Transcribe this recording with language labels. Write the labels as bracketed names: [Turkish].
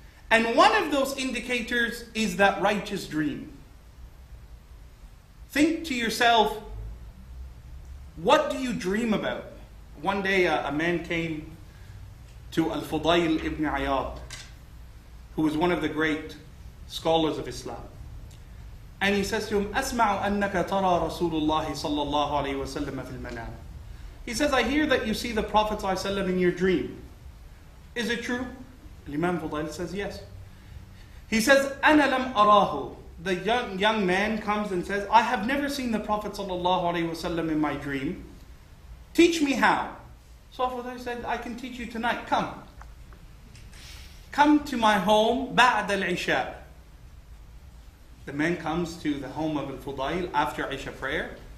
[English] And one of those indicators is that righteous dream. Think to yourself, what do you dream about? One day a man came to Al-Fudayl ibn Ayyad, who was one of the great scholars of Islam. And he says to him, [Arabic] أَسْمَعُ أَنَّكَ تَرَى رَسُولُ اللَّهِ صَلَّى اللَّهُ عَلَيْهِ وَسَلَّمَ فِي الْمَنَامِ. [English] He says, I hear that you see the Prophet ﷺ in your dream. Is it true? Imam Fudayl says, yes. He says, [Arabic] أَنَا لَمْ أَرَاهُ. [English] The young man comes and says, I have never seen the Prophet ﷺ in my dream. Teach me how. So Fudayl said, I can teach you tonight, come. Come to my home [Arabic] بعد العشاء. [English] The man comes to the home of Al-Fudayl after Isha prayer.